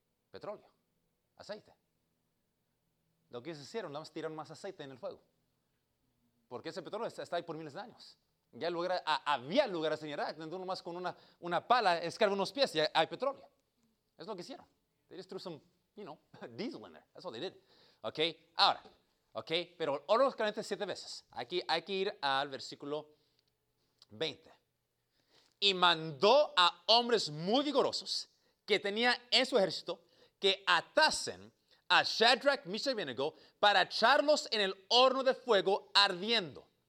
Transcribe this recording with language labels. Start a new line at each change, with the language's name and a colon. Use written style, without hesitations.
Spanish: Petróleo, aceite. Lo que ellos hicieron, nada más tiraron más aceite en el fuego. Porque ese petróleo está ahí por miles de años. Ya había lugares en Irak donde uno más con una pala escarba unos pies y hay petróleo. Es lo que hicieron.
English: They just threw some, you know, diesel in there. That's what they did. Ok,
Spanish: ahora. Ok, pero el horno caliente siete veces. Aquí hay que ir al versículo 20. Y mandó a hombres muy vigorosos que tenía en su ejército que atasen a Shadrach, Meshach y Abednego para echarlos en el horno de fuego ardiendo.